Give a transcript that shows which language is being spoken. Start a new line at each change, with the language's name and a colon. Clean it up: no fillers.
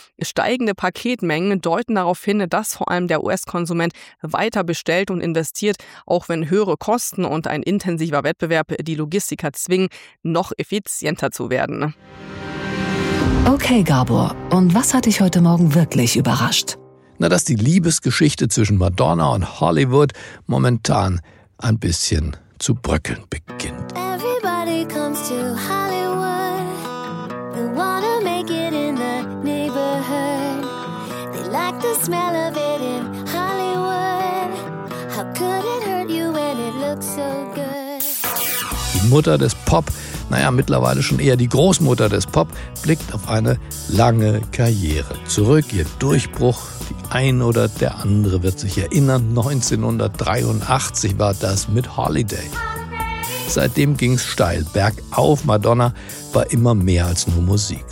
German: Steigende Paketmengen deuten darauf hin, dass vor allem der US-Konsument weiter bestellt und investiert, auch wenn höhere Kosten und ein intensiver Wettbewerb die Logistiker zwingen, noch effizienter zu werden. Okay, Gabor, und was hat dich heute Morgen wirklich überrascht? Na, dass die Liebesgeschichte zwischen Madonna und Hollywood momentan ein bisschen zu bröckeln beginnt.
English: Everybody comes to Hollywood. They wanna make it in the neighborhood. They like the smell of it in Hollywood. How could it hurt you when it looks so good?
German: Die Mutter des Pop, naja, mittlerweile schon eher die Großmutter des Pop, blickt auf eine lange Karriere zurück. Ihr Durchbruch, die ein oder der andere wird sich erinnern, 1983 war das mit Holiday. Seitdem ging's steil bergauf. Madonna war immer mehr als nur Musik.